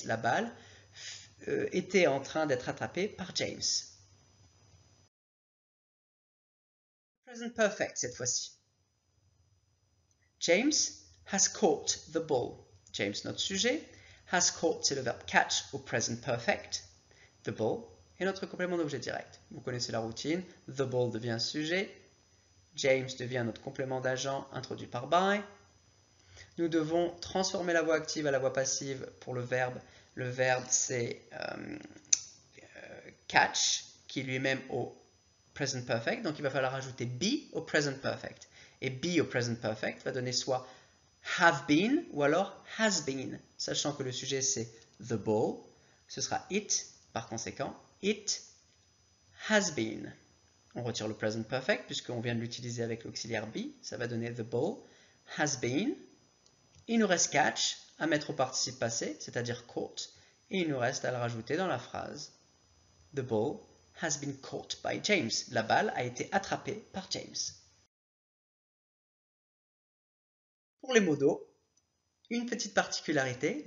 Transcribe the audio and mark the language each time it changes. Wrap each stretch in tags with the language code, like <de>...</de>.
<fr>La balle était en train d'être attrapée par James. Present perfect cette fois-ci.</fr> <en>James has caught the ball.</en> <fr>James, notre sujet. Has caught, c'est le verbe catch au present perfect. The ball est notre complément d'objet direct. Vous connaissez la routine. The ball devient sujet. James devient notre complément d'agent introduit par by. Nous devons transformer la voix active à la voix passive pour le verbe. Le verbe, c'est catch, qui lui-même au present perfect. Donc, il va falloir ajouter be au present perfect. Et be au present perfect va donner soit have been ou alors has been. Sachant que le sujet, c'est the ball. Ce sera it, par conséquent, it has been. On retire le present perfect puisqu'on vient de l'utiliser avec l'auxiliaire be. Ça va donner</fr> <en>the ball has been.</en> <fr>Il nous reste catch à mettre au participe passé, c'est-à-dire caught. Et il nous reste à le rajouter dans la phrase.</fr> <en>The ball has been caught by James.</en> <fr>La balle a été attrapée par James. Pour les modos, une petite particularité.</fr>